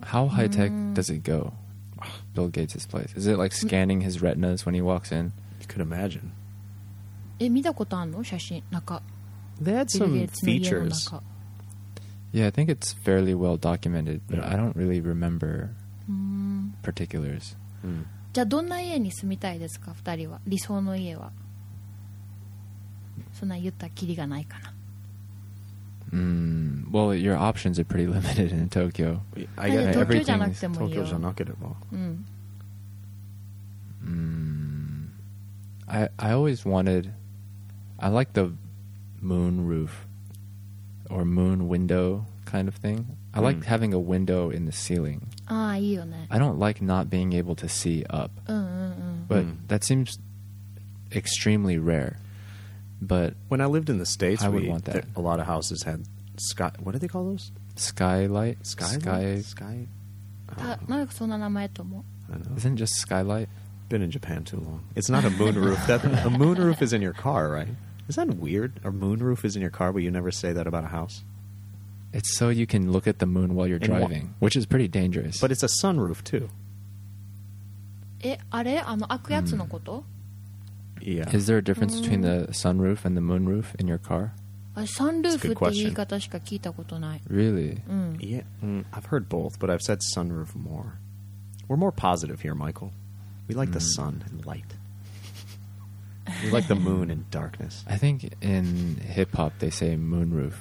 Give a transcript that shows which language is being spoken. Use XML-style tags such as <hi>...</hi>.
<en>How high-tech does it go, Bill Gates' place? Is it like scanning his retinas when he walks in? You could imagine.</en> <ja>え、見たことあるの?写真、なんか。</ja> <en>They had some features. Yeah, I think it's fairly well documented, but I don't really remember particulars.</en> <ja>じゃあどんな家に住みたいですか、二人は。理想の家は。そんな言ったきりがないかな。</ja> <en>Well, your options are pretty limited in Tokyo. I guess everything's</en> <ja>Tokyo じゃなければ。</ja> <en>I always wanted... I like the... moon roof or moon window kind of thing. I like having a window in the ceiling.</en> <ja>Ah, いいよね。</ja> <en>I don't like not being able to see up. But that seems extremely rare. But when I lived in the States, I would want that. A lot of houses had sky. What do they call those? Skylight. Sky.</en> <ja>なんかそんな名前と思う。</ja> <en>Isn't just skylight? Been in Japan too long. It's not a moon roof. A moon roof is in your car, right? Is that weird? A moonroof is in your car, but you never say that about a house? It's so you can look at the moon while you're driving, which is pretty dangerous. But it's a sunroof, too.</en> <ja>え、あれ?あの、開くやつのこと?</ja> <en>Yeah. Is there a difference between the sunroof and the moonroof in your car?</en> <ja>あ、サンルーフって言い方しか聞いたことない。</ja> <en>Really? I've heard both, but I've said sunroof more. We're more positive here, Michael. We like the sun and light. We like the moon and darkness. I think in hip hop they say moonroof</en>